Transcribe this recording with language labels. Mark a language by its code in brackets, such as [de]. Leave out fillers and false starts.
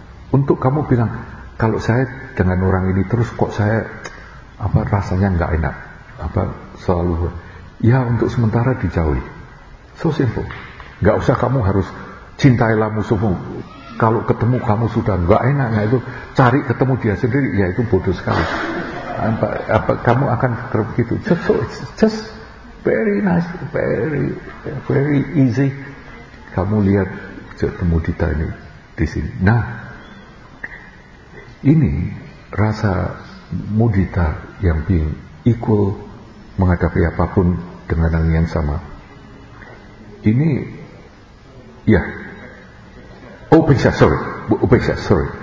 [id] Untuk kamu bilang, kalau saya dengan orang ini terus kok saya apa rasanya enggak enak, apa selalu ya, untuk sementara dijauhi. [en] So simple. [id] Enggak usah kamu harus cintailah musuhmu. Kalau ketemu kamu sudah enggak enak, nah itu cari ketemu dia sendiri, ya itu bodoh sekali. Apa kamu akan begitu. [en] So just very nice, very very easy. [id] Kamu lihat ketemu kita ini di sini. Nah, ini rasa mudita yang [en] being equal, [id] menghadapi apapun dengan yang sama. Ini, ya, upeksa, sorry.